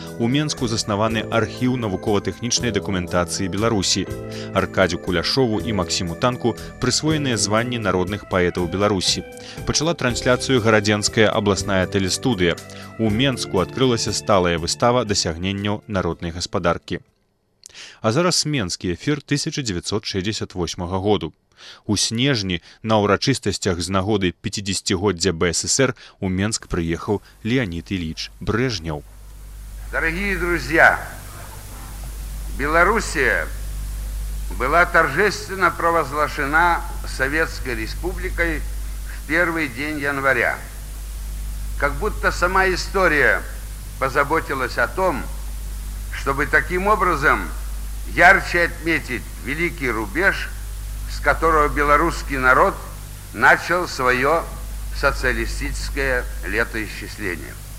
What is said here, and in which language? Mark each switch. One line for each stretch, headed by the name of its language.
Belarusian: У Менску заснаваны архіў навукова-тэхнічнай дакументацыі Беларусі. Аркадзю Куляшову і Максіму Танку прысвоеныя званні народных паэтаў Беларусі. Пачала трансляцыю гарадзенская абласная тэлестудыя. У Менску адкрылася сталая выстава дасягненняў народнай гаспадаркі. А зараз менскі эфір 1968 году. У снежні на ўрачыстасцях з нагоды 50-годдзя БССР у Менск прыехаў Леонід Іліч Брэжнеў.
Russian: Дарагія друзья, Беларусія была торжественна правазглашена Савецкай Республікай в первый день января. Как будто сама история позаботилась о том, чтобы таким образом ярче отметить великий рубеж, с которого белорусский народ начал свое социалистическое летоисчисление.